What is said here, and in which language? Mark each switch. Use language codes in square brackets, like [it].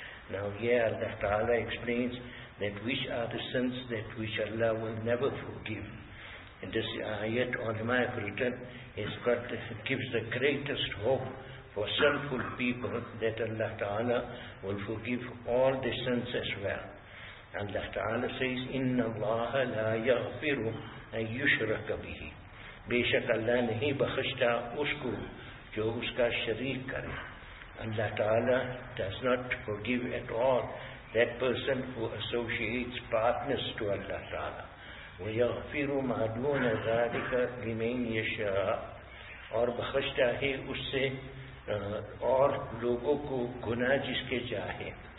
[en] Now here Allah Ta'ala explains that which are the sins that which Allah will never forgive. And this ayat on my written is what gives the greatest hope for sinful people, that Allah Ta'ala will forgive all the sins as well. Allah Ta'ala says, [ar] إِنَّ اللَّهَ لَا يَغْفِرُ أَن يُشْرَكَ بِهِ. [ur] بے شک اللہ نہیں بخشتا اس کو جو اس کا شریک کرے. [en] Allah Ta'ala does not forgive at all that person who associates partners to Allah Ta'ala. [ar] وَيَغْفِرُ مَا دُونَ ذَلِكَ لِمَنْ يَشَاءَ. [ur] اور بخشتا ہے اس سے اور لوگوں کو گناہ جس کے چاہے.